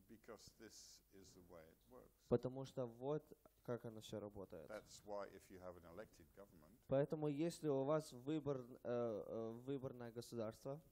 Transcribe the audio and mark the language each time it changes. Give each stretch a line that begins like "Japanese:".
English: Because this is the way it works.
Russian: Потому что вот как оно все работает.
English: That's why if you have an elected government,
Russian: поэтому если у вас выборное государство,